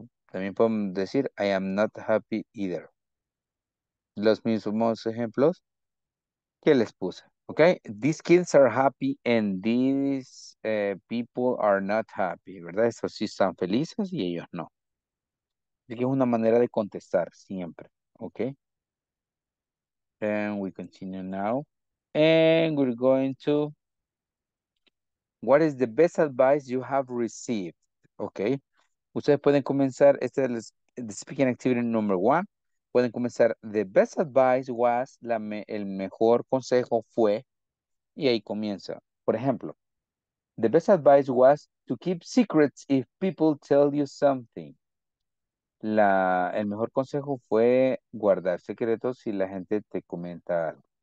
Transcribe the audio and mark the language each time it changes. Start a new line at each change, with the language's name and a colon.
Spanish: También podemos decir,
English: I am not happy either.
Spanish: Los mismos ejemplos que les puse.
English: Okay, these kids are happy and these people are not happy, ¿verdad?
Spanish: Estos sí están felices y ellos no. Así que es una manera de contestar siempre, okay?
English: And we continue now. And we're going to, what is the best advice you have received?
Spanish: Okay, ustedes pueden comenzar, este es
English: the speaking activity number one.
Spanish: Pueden comenzar,
English: the best advice was,
Spanish: el mejor consejo fue, y ahí comienza. Por ejemplo,
English: the best advice was to keep secrets if people tell you something.
Spanish: El mejor consejo fue guardar secretos si la gente te comenta algo.